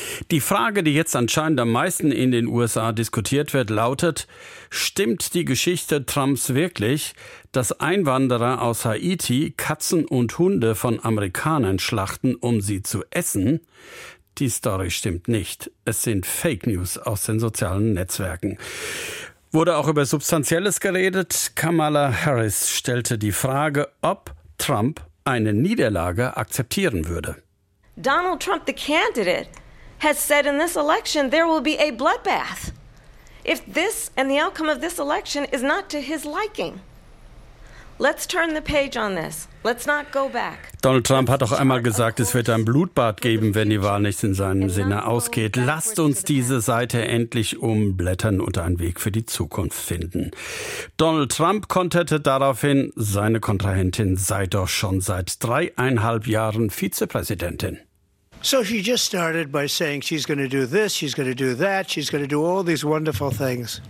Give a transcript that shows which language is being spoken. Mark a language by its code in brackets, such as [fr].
[de] Die Frage, die jetzt anscheinend am meisten in den USA diskutiert wird, lautet: Stimmt die Geschichte Trumps wirklich, dass Einwanderer aus Haiti Katzen und Hunde von Amerikanern schlachten, um sie zu essen? Die Story stimmt nicht. Es sind Fake News aus den sozialen Netzwerken. Wurde auch über Substanzielles geredet? Kamala Harris stellte die Frage, ob Trump eine Niederlage akzeptieren würde. [en] Donald Trump, the candidate, has said in this election there will be a bloodbath. If this and the outcome of this election is not to his liking. Let's turn the page on this. Let's not go back. [de] Donald Trump hat doch einmal gesagt, es wird ein Blutbad geben, wenn die Wahl nicht in seinem Sinne ausgeht. Lasst uns diese Seite endlich umblättern und einen Weg für die Zukunft finden. Donald Trump konterte daraufhin, seine Kontrahentin sei doch schon seit 3,5 Jahren Vizepräsidentin. [en] So she just started by saying she's going to do this, she's going to do that, she's going to do all these wonderful things.